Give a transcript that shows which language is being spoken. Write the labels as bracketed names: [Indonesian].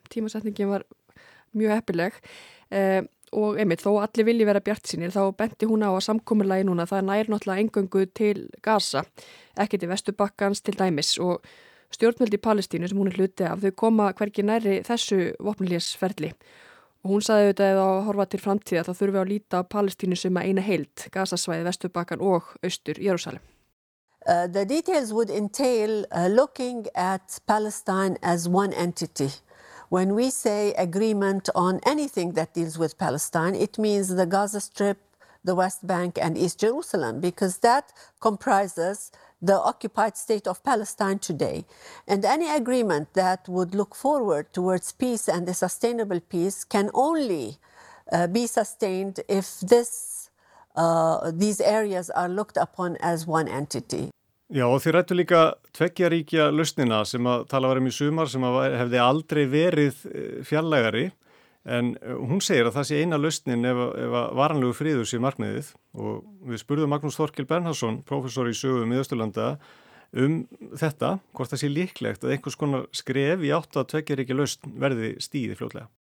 [Icelandic] Tímasetningin var mjög heppileg og einmitt þó allir vilji vera bjartsýnir þá benti hún á að samkomulagi núna það nær náttúrulega eingöngu til Gaza, ekki til Vesturbakkans til dæmis og stjórnvöld í Palestínu sem hún er hluti af þau koma hvergi nærri þessu vopnhlésferli. Og hún sagði auðvitað eða að horfa til framtíða þá þurfum við að líta á Palestínu sem að eina heild, Gazasvæði, Vesturbakkan og Austur Jerusalem. [English] The details would entail looking at Palestine as one entity. When we say agreement on anything that deals with Palestine, it means the Gaza Strip, the West Bank and East Jerusalem because that comprises the occupied state of Palestine today. And any agreement that would look forward towards peace and a sustainable peace can only be sustained if this, these areas are looked upon as one entity. [Icelandic] Já, og þið rættu líka tveggjaríkja lausnina sem að tala varum í sumar sem að hefði aldrei verið fjarlægari. En hún segir að það sé eina lausnin ef að varanlegu friður sé markmiðið og við spurðum Magnús Þorkel Bernhardsson, prófessor í sögu Miðausturlanda, um þetta, hvort það sé líklegt að einhvers konar skref í átt að tveggjaríkja lausn verði stíði fljótlega.